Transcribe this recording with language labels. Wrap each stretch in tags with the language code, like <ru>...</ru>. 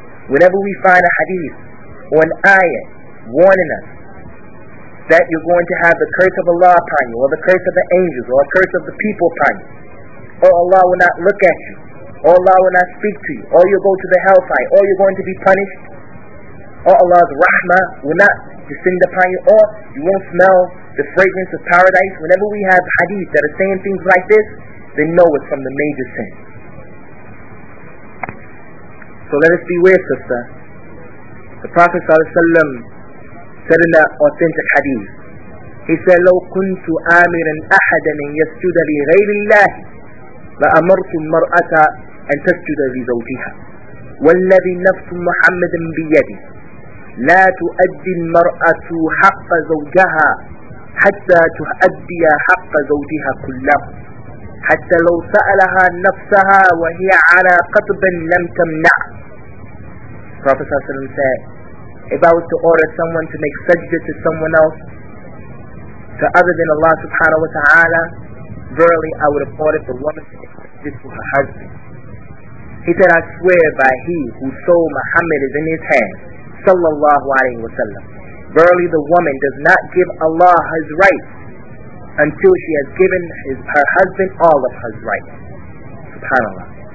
<en>Whenever we find a hadith or an ayah warning us that you're going to have the curse of Allah upon you, or the curse of the angels, or a curse of the people upon you, or Allah will not look at you, or Allah will not speak to you, or you'll go to the hellfire, or you're going to be punished, or Allah's rahmah will not descend upon you, or you won't smell the fragrance of paradise. Whenever we have hadith that are saying things like this, then know it's from the major sin. So let us beware, sister. The Prophet ﷺ said in that authentic hadith, he said,</en> <ar>لو كنت آمرا أحدا أن يسجد لغير الله لأمرت المرأة أن تسجد لزوجها والذي نفس محمد بيده لا تؤدي المرأة حق زوجها حتى تؤدي حق زوجها كله حتى لو سألها نفسها وهي على قطب لم تمنع.</ar> <en>Prophet ﷺ said, if I was to order someone to make sajda to someone else, to other than Allah subhanahu wa ta'ala, verily I would have ordered the woman to make sajda to her husband. He said, I swear by he whose soul Muhammad is in his hand, sallallahu alayhi wa sallam, verily the woman does not give Allah his rights until she has given her husband all of his rights. SubhanAllah.</en>